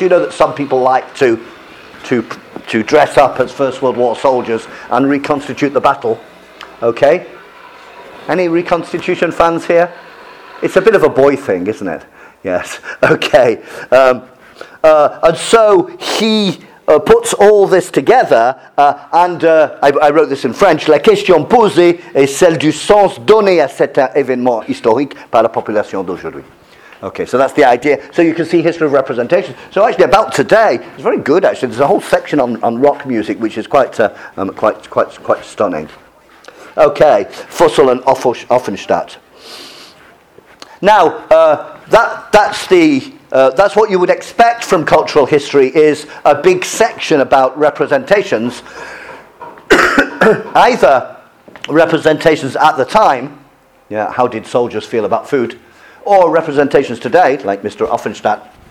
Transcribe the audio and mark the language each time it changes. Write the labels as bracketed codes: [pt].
[en] You know that some people like to dress up as First World War soldiers and reconstitute the battle. Okay? Any reconstitution fans here? It's a bit of a boy thing, isn't it? Yes. Okay. And so he puts all this together, and I wrote this in French. [fr] La question posée est celle du sens donné à cet événement historique par la population d'aujourd'hui. [en] Okay, so that's the idea. So you can see history of representation. So actually, about today, it's very good, actually. There's a whole section on rock music, which is quite stunning. Okay, Fossil and Offenstadt. Now, that's what you would expect from cultural history, is a big section about representations, either representations at the time, yeah, how did soldiers feel about food, or representations today, like Mr. Offenstadt.